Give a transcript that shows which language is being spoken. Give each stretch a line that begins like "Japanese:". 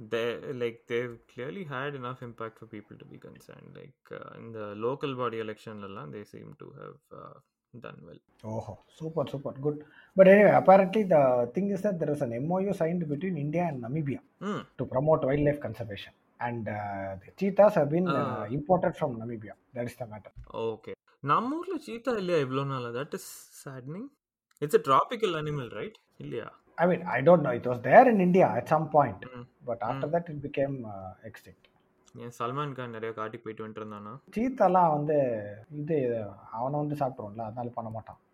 English: They like they clearly had enough impact for people to be concerned. Like in the local body எலெக்ஷன்ல எல்லாம் they seem to have done well. ஓஹோ, super super good. But anyway, apparently the thing is that there is an MOU signed between India and Namibia to promote wildlife conservation. And the cheetahs have been imported from Namibia. That is the matter.
Tamil: Okay. நம்ம ஊர்ல சீதா இல்லையா இவ்வளவு நாள?
English: That is saddening. It's a tropical animal right இல்லையா? I mean I don't know, it was there in India at some point, but after that it became extinct.
Tamil: ஏன் சல்மான் கான் நிறைய காட்டுக்கு போயிட்டு வந்துருந்தானா? சீதாலாம் வந்து இது அவன வந்து சாப்பிடுவோம்ல, அதனால பண்ண மாட்டான்.